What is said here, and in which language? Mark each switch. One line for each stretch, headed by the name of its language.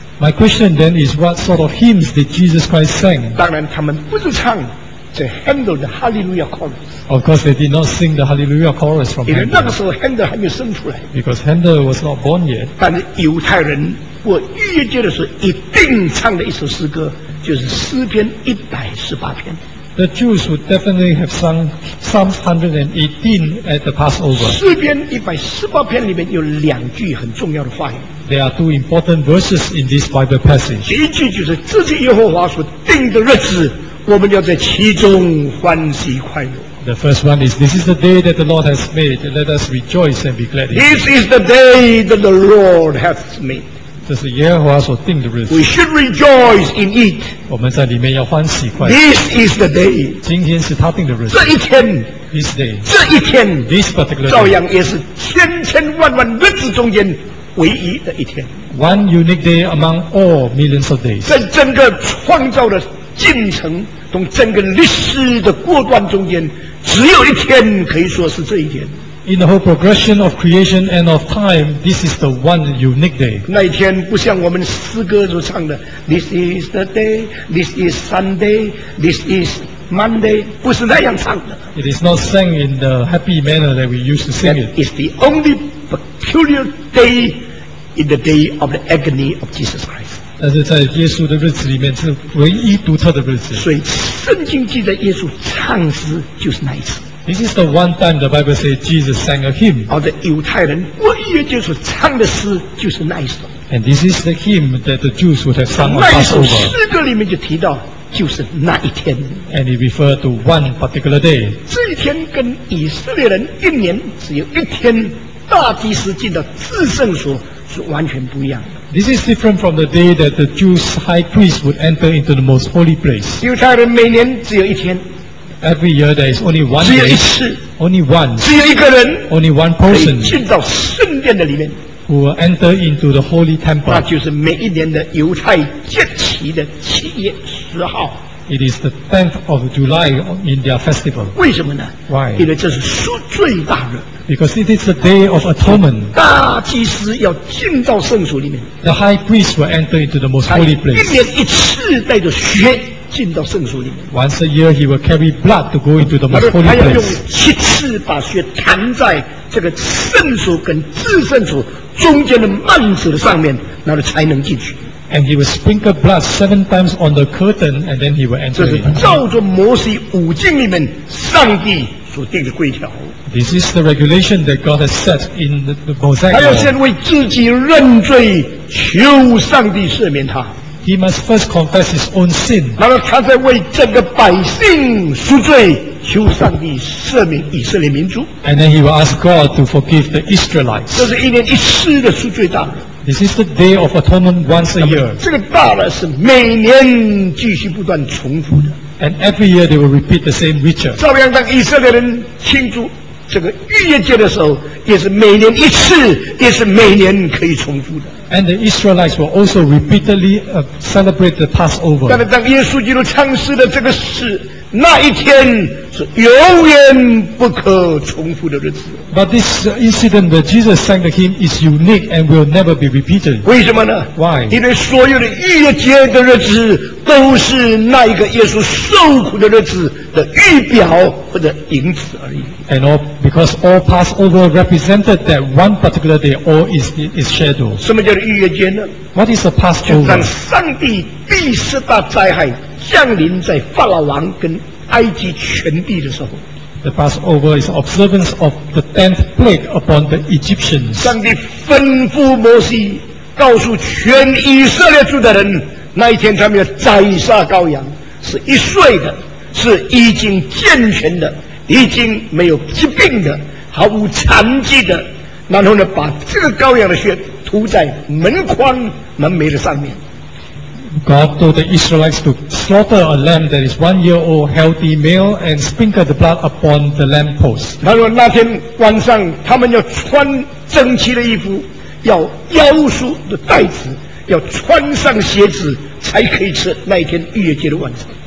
English: My question then is, what sort of hymns did Jesus Christ sing?
Chinese: 当然，他们不是唱。
English: To handle the Hallelujah chorus. Of course, they did not sing the Hallelujah chorus from Handel.
Chinese: 因为那个时候 Handel 还没有生出来。
English: Because Handel was not born yet.
Chinese: 但是犹太人过逾越节的时候一定唱的一首诗歌，就是诗篇一百十八篇。
English: The Jews would definitely have sung Psalms 118 at the Passover.
Chinese: 诗篇一百十八篇里面有两句很重要的话语。
English: There are two important verses in this Bible passage.
Chinese: 第一句就是这是耶和华所定的日子。我们要在其中欢喜快乐。
English: The first one is, this is the day that the Lord has made. Let us rejoice and be glad. This is the day that the Lord hath made.
Chinese: 这是耶和华所定的日子。
English: We should rejoice in it.
Chinese: 我们在里面要欢喜快乐。
English: This is the day.
Chinese: 今天是他定的日子。这一天。
English: This day.
Chinese: 这一天。
English: This particular day.
Chinese: 照样也是千千万万日子中间唯一的一天。
English: One unique day among all millions of days.
Chinese: 在整个创造的进程从整个历史的过段中间只有一天可以说是这一天
English: In the whole progression of creation and of time this is the one unique day
Chinese: 那一天不像我们诗歌所唱的
English: This is the day This is Sunday This is Monday
Chinese: 不是那样唱的
English: It is not sang in the happy manner that we used to sing it It's the only peculiar day in the day of the agony of Jesus Christ
Chinese: 但是在耶稣的日子里面是唯一独特的日子所以圣经记载耶稣唱诗就是那一次
English: This is the one time the Bible says Jesus sang a hymn
Chinese: 而犹太人过逾越节所唱的诗就是那一首
English: And this is the hymn that the Jews would have sung on Passover
Chinese: 那一首诗歌里面就提到就是那一天
English: And it referred to one particular day
Chinese: 这一天跟以色列人一年只有一天大祭司进到至圣所是完全不一样的
English: This is different from the day that the Jews high priest would enter into the most holy place.
Chinese: 犹太人每年只有一天。
English: Every year there is only one day.
Chinese: 只有一次。
English: Only one.
Chinese: 只有一个人。
English: Only one person.
Chinese: 可以进到圣殿的里面。
English: Who will enter into the holy temple.
Chinese: 那就是每一年的犹太节期的七月十号。
English: It is the 10th of July in their festival.
Chinese: 为什么呢？
English: Why?
Chinese: 因为这是赎罪大日。
English: Because it is the day of atonement.
Chinese: 大祭司要进到圣所里面。
English: The high priest will enter into the most holy place.
Chinese: 一年一次带着血进到圣所里面。
English: Once a year he will carry blood to go into the most holy place.
Chinese: 他要用七次把血弹在这个圣所跟至圣所中间的幔子上面，然后才能进去。
English: And he will sprinkle blood seven times on the curtain, and then he will enter.
Chinese: 这是照着摩西五经里面上帝所定的规条。
English: This is the regulation that God has set in the Mosaic.
Chinese: 他要先为自己认罪，求上帝赦免他。
English: He must first confess his own sin.
Chinese: 然后他再为这个百姓赎罪，求上帝赦免以色列民族。
English: And then he will ask God to forgive the Israelites.
Chinese: 这是一年一次的赎罪大日。
English: This is the day of atonement once a year.
Chinese: 这个大日是每年继续不断重复的。
English: And every year they will repeat the same ritual.
Chinese: 照样当以色列人庆祝这个逾越节的时候，也是每年一次，也是每年可以重复的。
English: And the Israelites will also repeatedly celebrate the Passover.
Chinese: 但是当耶稣基督降世的这个事。那一天是永远不可重复的日子。
English: But this incident that Jesus sang to him is unique and will never be repeated.
Chinese: 为什么呢？
English: Why?
Chinese: 因为所有的逾越节的日子都是那一个耶稣受苦的日子的预表或者影子而已。
English: And all, because all Passover represented that one particular day, all is shadow.
Chinese: 什么叫做逾越节呢？
English: What is the Passover?
Chinese: 就当上帝第十大灾害降临在法老王跟埃及全地的时候。
English: The Passover is observance of the 10th plague upon the Egyptians.
Chinese: 上帝吩咐摩西告诉全以色列族的人，那一天他们要宰杀羔羊，是一岁的，是已经健全的，已经没有疾病的，毫无残疾的，然后呢把这个羔羊的血涂在门框门楣的上面。
English: God told the Israelites to slaughter a lamb that is 1 year old, healthy male, and sprinkle the blood upon the lamppost.
Chinese: 然后那天晚上，他们要穿整齐的衣服，要腰束的带子，要穿上鞋子，才可以吃那一天逾越节的晚餐。